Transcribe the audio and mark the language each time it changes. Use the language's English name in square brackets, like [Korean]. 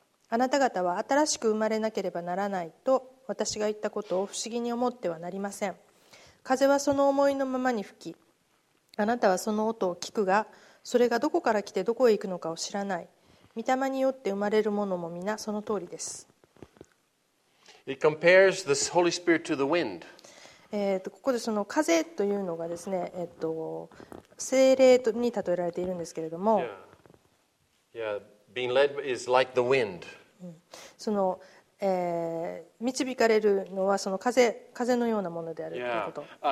[Japanese] あなた方は新しく生まれなければならないと私が言ったことを不思議に思ってはなりません。風はその思いのままに吹き、あなたはその音を聞くが、それがどこから来てどこへ行くのかを知らない。御霊によって生まれるものも皆その通りです。 [English] It compares the Holy Spirit to the wind. [Japanese] ここでその風というのがですね、精霊に例えられているんですけれども、 [English] Being led is like the wind. [Japanese] その、導かれるのはその風のようなものであるということ。